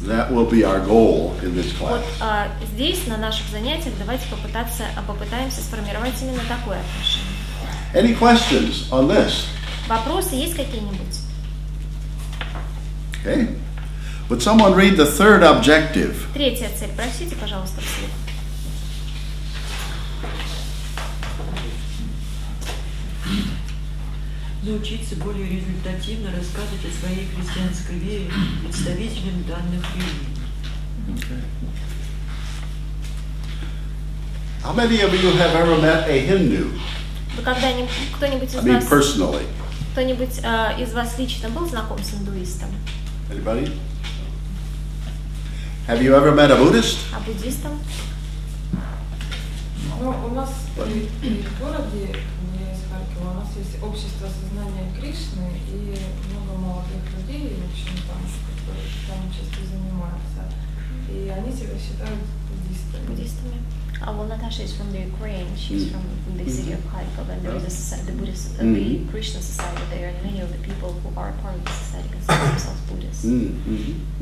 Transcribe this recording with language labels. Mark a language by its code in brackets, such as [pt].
[en] That will be our goal in this class. [ru] Вот здесь, на наших занятиях, давайте попытаемся сформировать именно такое отношение. [en] Any questions on this? [ru] Вопросы есть какие-нибудь? [en] Okay. Would someone read the third objective? [ru] Третья цель. Прочтите, пожалуйста, вслух. Научиться более результативно рассказывать о своей христианской вере представителям данных религий. [en] Okay. How many of you have ever met a Hindu? [ru] Вы когда-нибудь кто-нибудь из вас? [en] I mean personally. [ru] Кто-нибудь из вас лично был знаком с индуистом? [en] Anybody? Have you ever met a Buddhist? [ru] А буддистом? Ну, у нас в городе, не из Харькова, у нас есть общество сознания Кришны и много молодых людей, в общем, там, которые там часто занимаются. И они себя считают буддистами. Буддистами. [en] Well, Natasha is from the Ukraine. She's from the city of Kharkov, and there is the Buddhist, the Krishna Society there, and many of the people who are part of the society consider themselves Buddhists.